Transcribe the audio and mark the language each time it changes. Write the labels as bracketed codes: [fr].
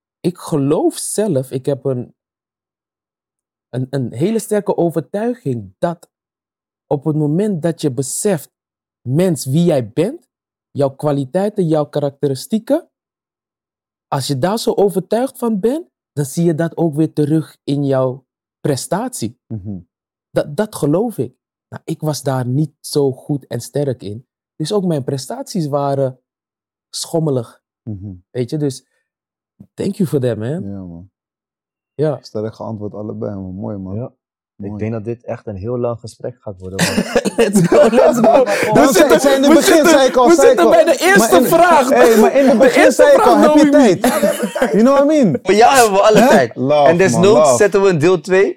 [nl] Ik geloof zelf, ik heb een hele sterke overtuiging dat op het moment dat je beseft, mens, wie jij bent, jouw kwaliteiten, jouw karakteristieken, als je daar zo overtuigd van bent, dan zie je dat ook weer terug in jouw prestatie. Mm-hmm. Dat geloof ik. Nou, ik was daar niet zo goed en sterk in. Dus ook mijn prestaties waren schommelig. Mm-hmm. Weet je, dus [en] thank you for that, man. [nl] Ja, man. Ja. Sterk geantwoord allebei, man. Mooi, man. Ja. Mooi. Ik denk dat dit echt een heel lang gesprek gaat worden. [en] Let's go, let's go. [nl] We zitten bij de eerste vraag. Hey, maar in het begin zei ik al, heb je tijd? [en] You know what I mean? [nl] Voor jou hebben we alle tijd. En desnoods zetten we een deel 2.